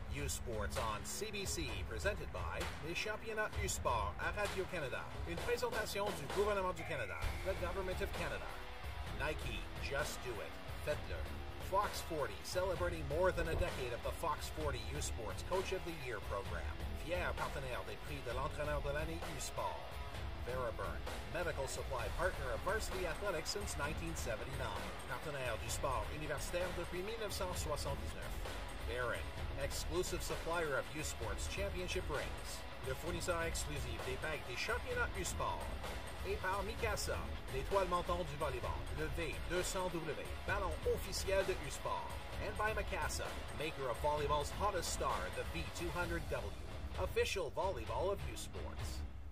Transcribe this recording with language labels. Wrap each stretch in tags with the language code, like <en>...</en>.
<en>Sports on CBC, presented by Les Championnats du Sport à Radio-Canada.</en> <fr>Une présentation du gouvernement du Canada, the government of Canada.</fr> <en>Nike, just do it. Fettler. Fox 40, celebrating more than a decade of the Fox 40 U Sports Coach of the Year program.</en> <fr>Fier partenaire des prix de l'entraîneur de l'année U Sport.</fr> <en>Veriburn, medical supply partner of varsity athletics since 1979. Partenaire du Sport universitaire depuis 1979. Baron, exclusive supplier of U Sports Championship rings.</en> <fr>Le fournisseur exclusif des bagues des championnats U Sport. Et par Mikasa, l'étoile montante du volleyball, le V200W, ballon officiel de U Sport.</fr> <en>And by Mikasa, maker of volleyball's hottest star, the V200W, official volleyball of U Sports.</en>